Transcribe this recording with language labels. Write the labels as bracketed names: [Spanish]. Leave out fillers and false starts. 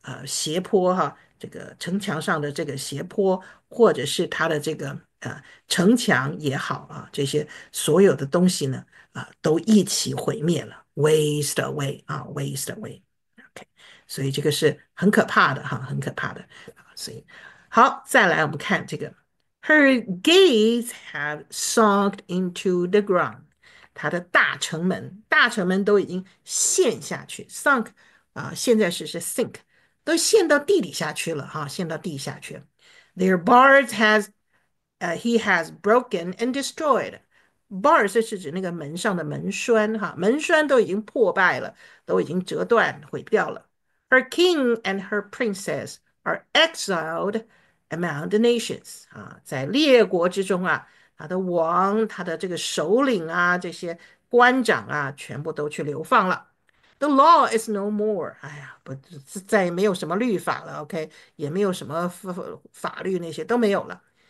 [Chinese] 斜坡哈，这个城墙上的这个斜坡，或者是它的这个城墙也好啊，这些所有的东西呢都一起毁灭了， [English] waste away [Chinese] 啊，waste away，OK，所以这个是很可怕的哈，很可怕的，所以好，再来我们看这个， [English] Her gates have sunk into the ground， [Chinese] 它的大城门都已经陷下去，sunk 现在时是 sink。都陷到地底下去了哈，陷到地下去了。 [English] Their bars has, he has broken and destroyed. [Chinese] Bars 是指那个门上的门栓哈，门栓都已经破败了，都已经折断毁掉了。 [English] Her king and her princess are exiled among the nations. [Chinese] 啊，在列国之中啊，他的王、他的这个首领啊、这些官长啊，全部都去流放了。 [English] The law is no more。 [Chinese] 哎呀，不，再也没有什么律法了。OK，也没有什么法律那些都没有了。